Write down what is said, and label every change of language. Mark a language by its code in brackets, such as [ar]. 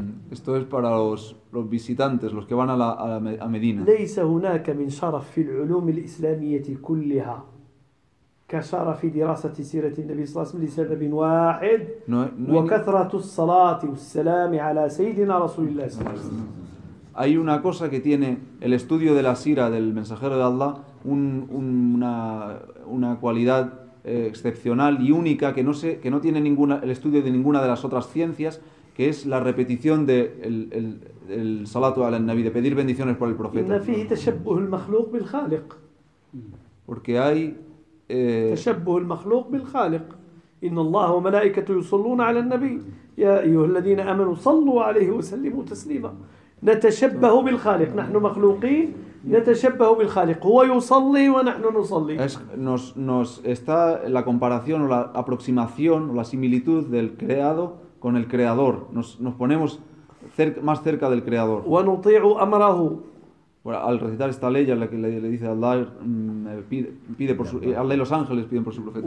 [es] Esto es para los visitantes, los que van a Medina. [ar] ليس هناك من شرف في العلوم الإسلامية كلها كشرف في دراسة سيرة النبي صلى الله عليه وسلم لسبب واحد وكثرة الصلاة والسلام على سيدنا رسول الله صلى الله عليه وسلم. [es] Hay una cosa que tiene el estudio de la sira del mensajero de Allah una cualidad excepcional y única que no tiene ninguna el estudio de ninguna de las otras ciencias, que es la repetición de el salatu ala nabi, de pedir bendiciones por el profeta. [ar] إن فيه تشبه المخلوق بالخالق. [es] Porque hay [ar] تشبه المخلوق بالخالق. إن الله وملائكته يصلون على النبي يا أيها الذين آمنوا صلوا عليه وسلموا تسليما. نتشبه بالخالق, نحن مخلوقين نتشبه بالخالق, هو يصلي ونحن نصلي. [es] Nos está la comparación o la aproximación o la similitud del creado con el creador. Nos ponemos más cerca del creador. [ar] ونطيع أمره. [es] Bueno, al recitar esta ley, a la que le dice Allah, pide por su, Allah y los ángeles piden por su profeta.